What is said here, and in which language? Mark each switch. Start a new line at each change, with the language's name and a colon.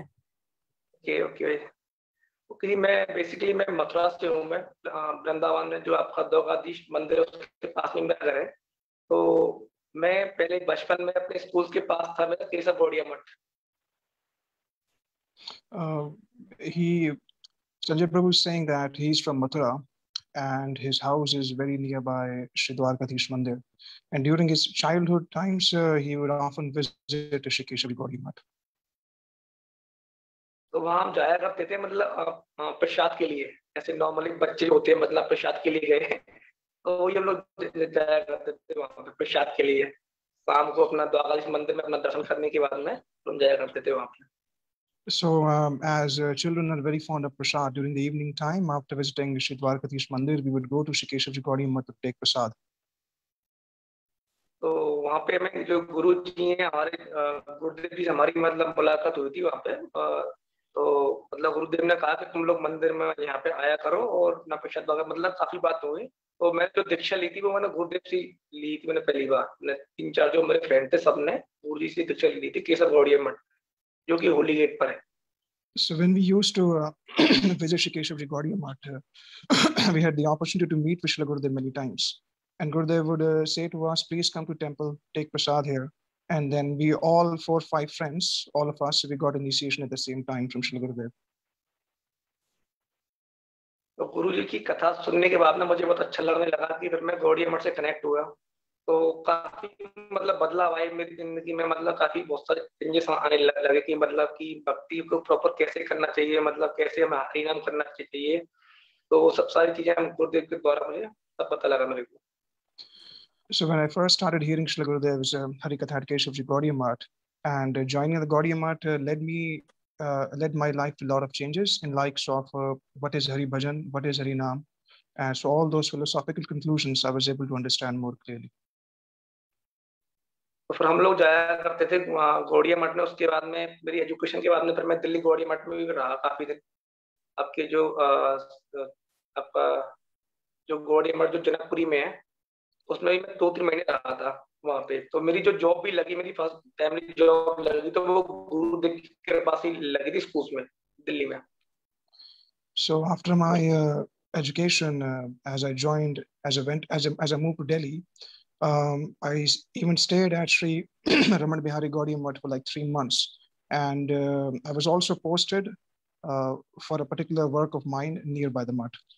Hindi: Okay okay okay मैं basically मैं मथुरा से हूँ मैं वृंदावन में जो आपका दोगाधीश मंदिर उसके पास में मैं घर है तो मैं पहले बचपन में अपने स्कूल के पास था मैं केशव बोड़िया मठ
English: Sanjay Prabhu is saying that he is from Mathura And his house is very nearby Shridwarkathish Mandir. And during his childhood times, he would often visit Shikeshwari Gauri Mat.
Hindi: So, वहाँ जाया करते थे मतलब प्रसाद के लिए ऐसे normally बच्चे होते हैं मतलब प्रसाद के लिए गए तो ये लोग जाया करते थे वहाँ पे प्रसाद के लिए शाम को अपना द्वारकाधीश मंदिर में अपना दर्शन करने के बाद में तुम जाया करते थे वहाँ पे
English: So, as children are very fond of prasad, during the evening time, after visiting Shridwarkathish Mandir, we would go to Shikeshwari Gauri Math to take prasad.
Hindi: So, वहाँ पे मैं जो गुरु जी हैं हमारे गुरुदेव जी हमारी मतलब मुलाकात हुई थी वहाँ पे तो मतलब गुरुदेव ने कहा कि तुम लोग मंदिर में यहाँ पे आया करो और ना प्रसाद वगैरह मतलब काफी बात हुई तो मैं जो दीक्षा ली थी वो मैंने गुरुदेव से ली थी मैंने पहली बार मैंने तीन चार जो मेरे फ्रेंड थे सबने गुरु जी से दीक्षा ली थी केशव गौड़िया मठ
English: So when we used to visit Shikeshwari Gauri Math, we had the opportunity to meet Vishla Gurudev many times. And Gurudev would say to us, please come to temple, take prasad here. And then we all four, five friends, all of us, we got initiation at the same time from Vishla Gurudev.
Hindi: So Guruji ki katha sunne ke baad na mujhe bahut achha lagne laga ki fir main Gauri Math se connect hua. तो काफी मतलब बदलाव आए मेरी जिंदगी में मतलब काफी बहुत सारे चेंजेस आने लगे कि मतलब कि भक्ति को प्रॉपर कैसे करना चाहिए मतलब कैसे हमें हरि नाम करना चाहिए तो वो सब सारी चीजें हम गुरुदेव के द्वारा मुझे सब पता लगा मेरे को
English: So when I first started hearing Shri Gurudev's Harikatha at Keshavji Gaudiya Math and joining the Gaudiya Math led my life to a lot of changes in likes of what is Hari Bhajan, what is Hari Naam. So all those philosophical conclusions I was able to understand more clearly.
Hindi: तो फिर हम लोग जाया करते थे गौड़िया मठ में उसके बाद में मेरी एजुकेशन के बाद में फिर मैं दिल्ली गौड़िया मठ में भी रहा काफी दिन आपके जो आपका जो गौड़िया मठ जो जनकपुरी में है उसमें भी मैं दो तीन महीने रहा था वहाँ पे तो मेरी जो जॉब भी लगी मेरी फर्स्ट फैमिली जॉब लगी तो वो गुरुदेव की कृपा से लगी थी स्कूल में दिल्ली में
English: So after my education as I joined as I went as I moved to Delhi I even stayed at Sri Raman Bihari Gaudiya Math for like 3 months. And I was also posted for a particular work of mine nearby the Math.